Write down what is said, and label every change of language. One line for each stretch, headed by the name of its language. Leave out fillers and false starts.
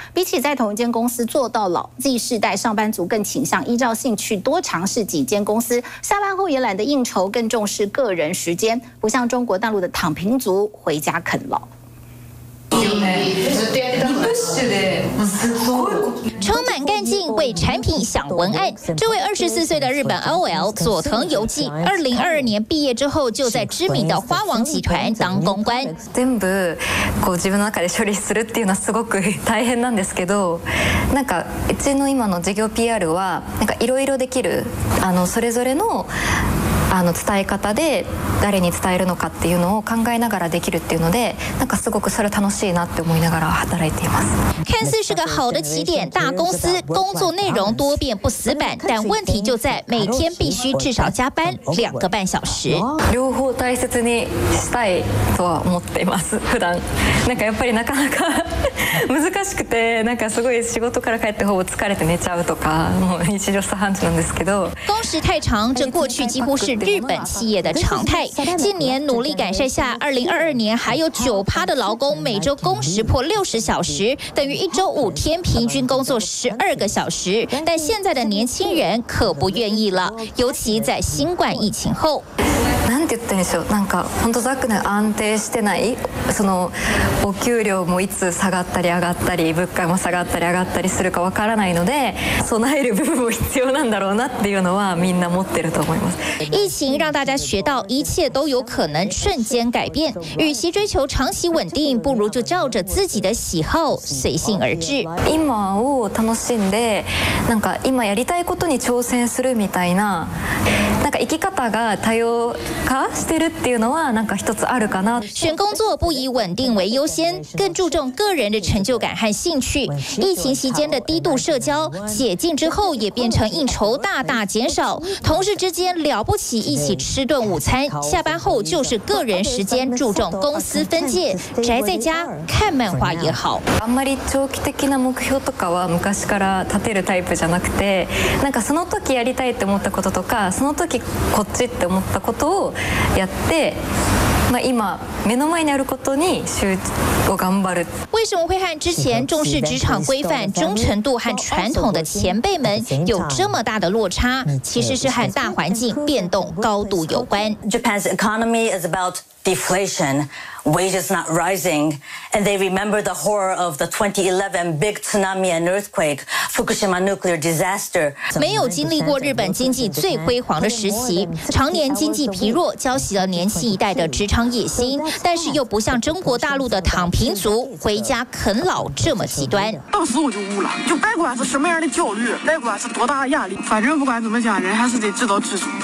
Chinese: 比起在同一间公司做到老， Z 世代上班族更倾向依照兴趣多尝试几间公司，下班后也懒得应酬，更重视个人时间，不像中国大陆的躺平族回家啃老。充满干劲，为产品想文案。这位24岁的日本 OL 佐藤由纪，2022年毕业之后就在知名的花王集团当公关。
Japanese: 全部こう自分の中で処理するっていうのはすごく大変なんですけど、なんかうちの今の事業 PR はなんかいろいろできる、それぞれの。伝え方で誰に伝えるのかっていうのを考えながらできるっていうので、なんかすごくそれ楽しいなって思いながら働いています。
Chinese: 看似是个好的起点，大公司工作内容多变不死板，但问题就在每天必须至少加班2个半小时。
Japanese: 両方大切にしたいとは思っています。普段なんかやっぱりなかなか難しくて、なんかすごい仕事から帰ってほぼ疲れて寝ちゃうとか、もう日常茶飯事なんですけど。
Chinese: 工时太长，这过去几乎是日本企业的常态。近年努力改善下，2022年还有9%的劳工每周工时破60小时，等于1周5天平均工作12个小时。但现在的年轻人可不愿意了，尤其在新冠疫情后。
Japanese: なんて言ったんでしょう。なんか本当ざっくり安定してない。そのお給料もいつ下がったり上がったり、物価も下がったり上がったりするかわからないので、備える部分も必要なんだろうなっていうのはみんな持ってると思います。
Chinese: 疫情让大家学到一切都有可能瞬间改变，与其追求长期稳定，不如就照着自己的喜好随性而至。
Japanese: 今を楽しんで、なんか今やりたいことに挑戦するみたいな、なんか生き方が多様化してるっていうのはなんか一つあるかな。
Chinese: 选工作不以稳定为优先，更注重个人的成就感和兴趣。疫情期间的低度社交，解禁之后也变成应酬大大减少，同事之间了不起一起吃顿午餐，下班后就是个人时间，注重公司分界，宅在家看漫画也好。
Japanese: あんまり長期的な目標とかは昔から立てるタイプじゃなくて、なんかその時やりたいって思ったこととか、その時こっちって思ったことをやって。今目の前にあることに集中を頑張る。
Chinese: 为什么会和之前重视职场规范、忠诚度和传统的前辈们有这么大的落差？其实是和大环境变动高度有关。
English: Japan's economy is about deflation, wages not rising, and they remember the horror of the 2011 big tsunami and earthquake, Fukushima nuclear disaster.
Chinese: 没有经历过日本经济最辉煌的时期，常年经济疲弱，浇熄了年轻一代的职场野心，但是又不像中国大陆的躺平族回家啃老这么极端。当时我就悟了，就别管是什么样的教育，别管是多大的压力，反正不管怎么讲，人还是得知道知足。